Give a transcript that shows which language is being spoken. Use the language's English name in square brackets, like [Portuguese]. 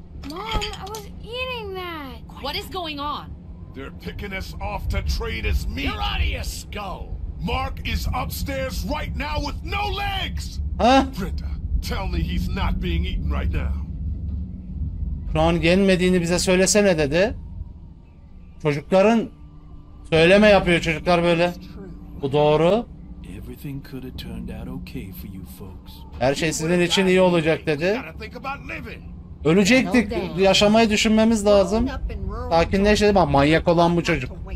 [English] Mom, I was eating that. What is going on? They're picking us off to trade as meat. You're out of your skull. Mark is upstairs right now with no legs. Huh? Brenda, tell me he's not being eaten right now. [Turkish] Ron gelmediğini bize söylesene dedi. Çocukların söyleme yapıyor çocuklar böyle. Bu doğru. [English] Everything could have turned out okay for you folks. [Turkish] Her şey sizin için iyi olacak dedi. Ölecektik. Yaşamayı düşünmemiz lazım. Sakinleşelim. Bak manyak olan bu çocuk.